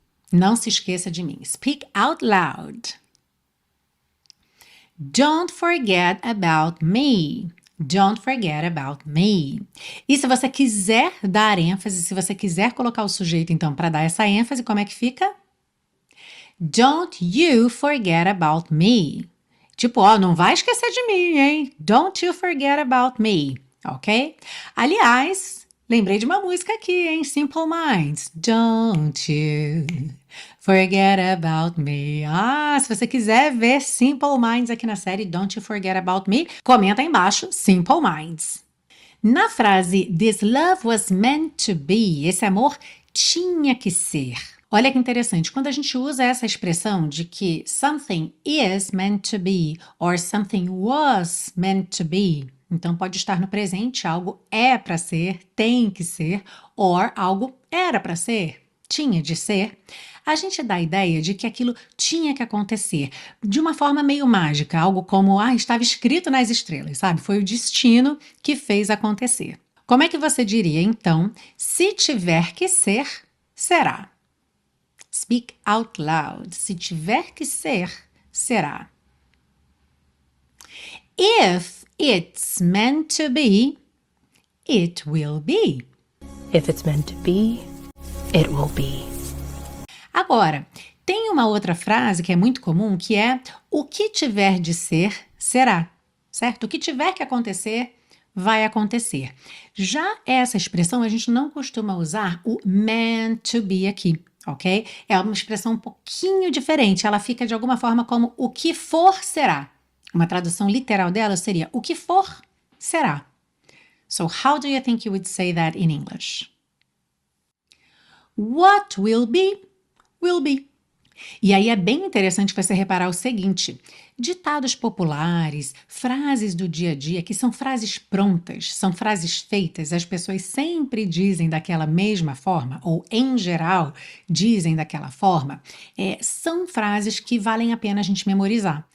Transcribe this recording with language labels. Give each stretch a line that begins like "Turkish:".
Portuguese: Não se esqueça de mim.
English: Speak out loud. Don't forget about me. Don't forget about me.
Portuguese: E se você quiser dar ênfase, se você quiser colocar o sujeito, então, para dar essa ênfase, como é que fica?
English: Don't you forget about me.
Portuguese: Tipo, ó, não vai esquecer de mim, hein?
English: Don't you forget about me. Ok?
Portuguese: Aliás, lembrei de uma música aqui, hein? Simple Minds.
English: Don't you forget about me.
Portuguese: Ah, se você quiser ver Simple Minds aqui na série Don't You Forget About Me, comenta aí embaixo, Simple Minds. Na frase
English: This love was meant to be,
Portuguese: esse amor tinha que ser. Olha que interessante, quando a gente usa essa expressão de que
English: something is meant to be
Portuguese: or something was meant to be, então, pode estar no presente, algo é para ser, tem que ser, or algo era para ser, tinha de ser. A gente dá a ideia de que aquilo tinha que acontecer de uma forma meio mágica, algo como, ah, estava escrito nas estrelas, sabe? Foi o destino que fez acontecer. Como é que você diria, então, se tiver que ser, será?
English: Speak out loud.
Portuguese: Se tiver que ser, será.
English: If it's meant to be, it will be. If it's meant to be, it will be.
Portuguese: Agora, tem uma outra frase que é muito comum, que é o que tiver de ser, será, certo? O que tiver que acontecer, vai acontecer. Já essa expressão, a gente não costuma usar o meant to be aqui, ok? É uma expressão um pouquinho diferente, ela fica de alguma forma como o que for, será. Uma tradução literal dela seria o que for, será.
English: So, how do you think you would say that in English? What will be.
Portuguese: E aí é bem interessante você reparar o seguinte: ditados populares, frases do dia a dia, que são frases prontas, são frases feitas, as pessoas sempre dizem daquela mesma forma, ou em geral dizem daquela forma, são frases que valem a pena a gente memorizar.